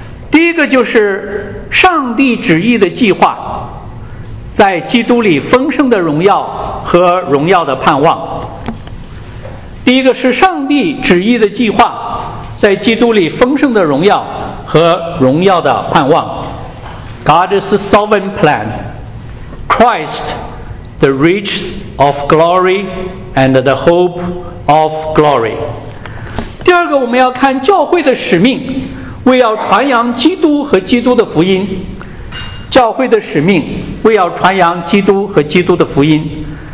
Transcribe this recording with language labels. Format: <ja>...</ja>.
<zh>第一个就是上帝旨意的计划，在基督里丰盛的荣耀和荣耀的盼望。第一个是上帝旨意的计划，在基督里丰盛的荣耀和荣耀的盼望。</zh> <en>God's sovereign plan, Christ, the riches of glory and the hope of glory.</en> <zh>第二个我们要看教会的使命，为要传扬基督和基督的福音。教会的使命，为要传扬基督和基督的福音。</zh>